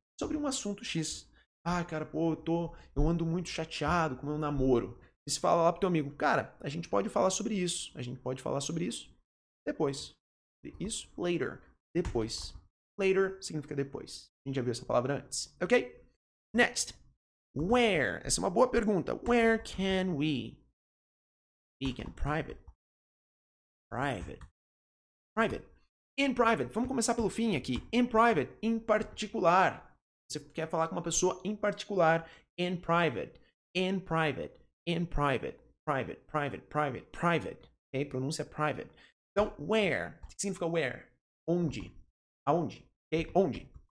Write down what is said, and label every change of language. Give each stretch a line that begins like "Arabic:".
Portuguese: Sobre um assunto X. Ah, cara, pô, eu ando muito chateado com o meu namoro. E se fala lá pro teu amigo, cara, a gente pode falar sobre isso. A gente pode falar sobre isso depois. Isso, later, depois. Later significa depois. A gente já viu essa palavra antes, ok? Next. Where? Essa é uma boa pergunta.
English: Where can we speak in private? Private. Private. In private.
Portuguese: Vamos começar pelo fim aqui. In private, em particular. Você quer falar com uma pessoa em particular,
English: in private, in private, in private, private,
Portuguese: private, private, private, ok? Pronúncia private. Então, where, o que significa where? Onde, aonde, ok? Onde.